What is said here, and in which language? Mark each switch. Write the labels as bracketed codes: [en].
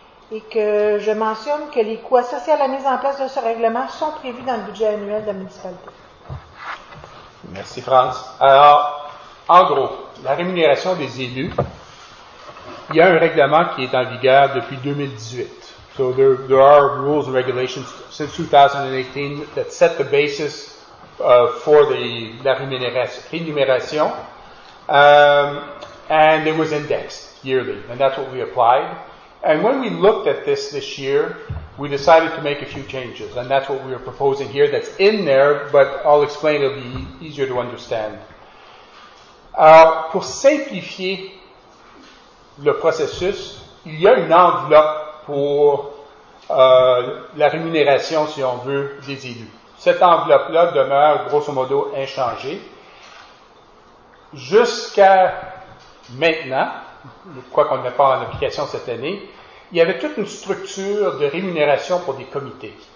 [fr] Et que je mentionne que les coûts associés à la mise en place de ce règlement sont prévus dans le budget annuel de la municipalité. Merci, France. Alors, en gros, la rémunération des élus, il y a un règlement qui est en vigueur depuis 2018. [en] So there are rules and regulations since 2018 that set the basis for [fr] la rémunération, [en] and it was indexed yearly, and that's what we applied. And when we looked at this year, we decided to make a few changes, and that's what we are proposing here that's in there, but I'll explain, it'll be easier to understand. [fr] Pour simplifier le processus, il y a une enveloppe pour la rémunération, si on veut, des élus. Cette enveloppe-là demeure, grosso modo, inchangée. Jusqu'à maintenant, quoi qu'on n'ait pas en application cette année, il y avait toute une structure de rémunération pour des comités.